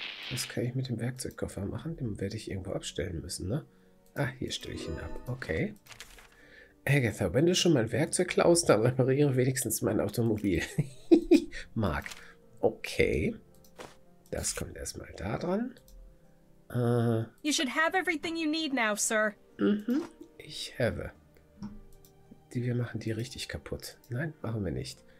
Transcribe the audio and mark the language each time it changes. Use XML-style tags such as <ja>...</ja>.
<de>Was kann ich mit dem Werkzeugkoffer machen? Den werde ich irgendwo abstellen müssen, ne? Ah, hier stelle ich ihn ab. Okay. Agatha, wenn du schon mein Werkzeug klaust, dann repariere wenigstens mein Automobil. Mark. Okay. Das kommt erstmal da dran.</de> <en>You should have everything you need now, sir.</en> <de>Ich habe. Wir machen die richtig kaputt. Nein, machen wir nicht.</de>